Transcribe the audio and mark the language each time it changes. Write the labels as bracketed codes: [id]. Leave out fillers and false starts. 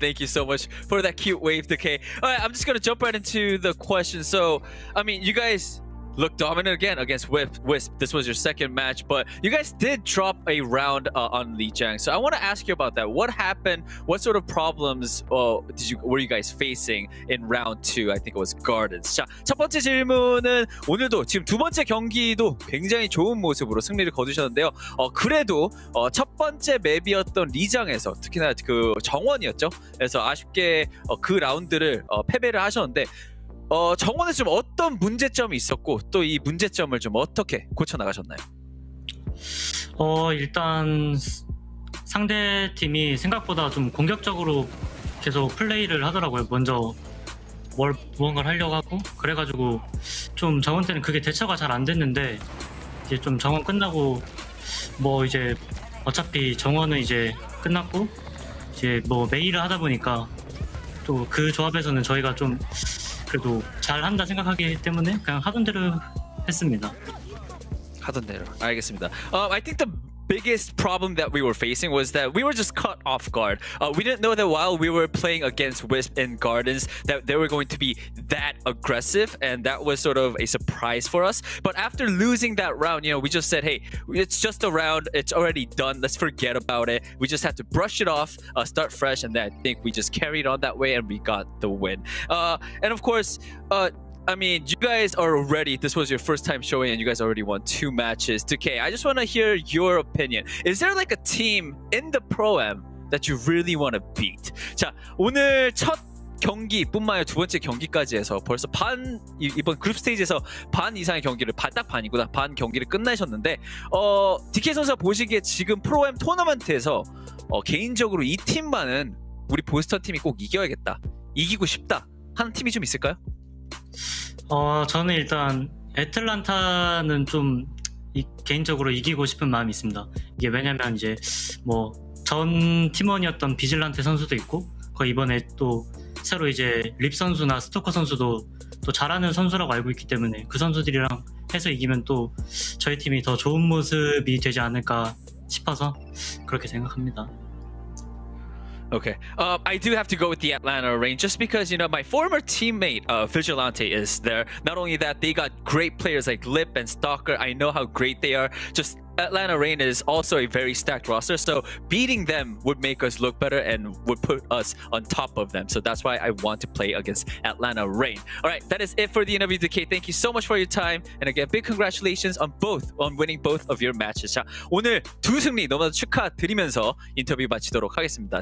[en] Thank you so much for that cute wave, DK. All right, I'm just going to jump right into the question. So, I mean, you guys look dominant again against Wisp. This was your second match, but you guys did drop a round on Li Jiang. So I want to ask you about that. What happened? What sort of problems were you guys facing in round two? I think it was Gardens. [ko] 자, 첫 번째 질문은 오늘도 지금 두 번째 경기도 굉장히 좋은 모습으로 승리를 거두셨는데요. 그래도 첫 번째 맵이었던 리장에서 특히나 그 정원이었죠. 그래서 아쉽게 그 라운드를 패배를 하셨는데. 정원에 좀 어떤 문제점이 있었고 또 이 문제점을 좀 어떻게 고쳐 나가셨나요? 일단 상대 팀이 생각보다 좀 공격적으로 계속 플레이를 하더라고요. 먼저 무언가를 하려고 하고 그래가지고 좀 저번 때는 그게 대처가 잘 안 됐는데 이제 좀 정원 끝나고 뭐 이제 어차피 정원은 이제 끝났고 이제 뭐 메일을 하다 보니까 또 그 조합에서는 저희가 좀 그래도 잘 한다 생각하기 때문에 그냥 하던 대로 했습니다. 하던 대로 알겠습니다. [en] I think the biggest problem that we were facing was that we were just caught off guard. We didn't know that while we were playing against Wisp in Gardens that they were going to be that aggressive, and that was sort of a surprise for us. But after losing that round, you know, we just said, hey, it's just a round, it's already done, let's forget about it. We just had to brush it off, start fresh, and then I think we just carried on that way and we got the win. And of course, I mean, you guys are already, this was your first time showing and you guys already won two matches. Decay, I just want to hear your opinion. Is there like a team in the Pro-Am that you really want to beat? [ko] 자, 오늘 첫 경기뿐만 아니라 두 번째 경기까지 해서 벌써 반, 이번 그룹 스테이지에서 반 이상의 경기를, 딱 반이구나, 반 경기를 끝내셨는데 DK 선수가 보시기에 지금 Pro-Am 토너먼트에서 개인적으로 이 팀만은 우리 보스턴 팀이 꼭 이겨야겠다, 이기고 싶다 하는 팀이 좀 있을까요? 저는 일단 애틀란타는 좀 개인적으로 이기고 싶은 마음이 있습니다. 이게 왜냐면 이제 뭐 전 팀원이었던 비질란테 선수도 있고 그 이번에 또 새로 이제 립 선수나 스토커 선수도 또 잘하는 선수라고 알고 있기 때문에 그 선수들이랑 해서 이기면 또 저희 팀이 더 좋은 모습이 되지 않을까 싶어서 그렇게 생각합니다. [en] Okay, I do have to go with the Atlanta Reign just because, you know, my former teammate Vigilante is there. Not only that, they got great players like Lip and Stalker. I know how great they are. Just Atlanta Reign is also a very stacked roster, so beating them would make us look better and would put us on top of them. So that's why I want to play against Atlanta Reign. All right, that is it for the interview, DK. Thank you so much for your time. And again, big congratulations on winning both of your matches. [ko] 자, 오늘 두 승리 너무나 축하드리면서 인터뷰 마치도록 하겠습니다.